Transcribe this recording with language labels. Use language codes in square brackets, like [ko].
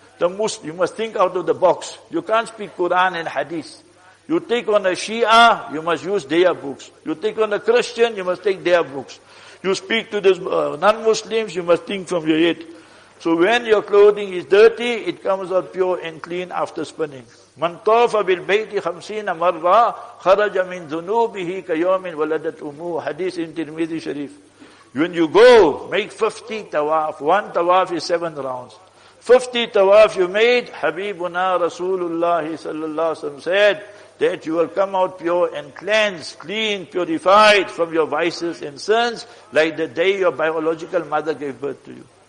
[en] The Muslim, you must think out of the box. You can't speak Quran and Hadith. You take on a Shia, you must use their books. You take on a Christian, you must take their books. You speak to the non-Muslims, you must think from your head. So when your clothing is dirty, it comes out pure and clean after spinning. [ar] مَنْ طَوْفَ بِالْبَيْتِ خَمْسِينَ مَرَّةً خَرَجَ مِنْ ذُنُوبِهِ كَيَوْمٍ وَلَدَتْ أُمُّهُ [en] Hadith in Tirmidhi Sharif. When you go, make 50 tawaf. One tawaf is 7 rounds. 50 tawaf you made, Habibuna Rasulullah sallallahu alaihi wasallam said that you will come out pure and cleansed, clean, purified from your vices and sins like the day your biological mother gave birth to you.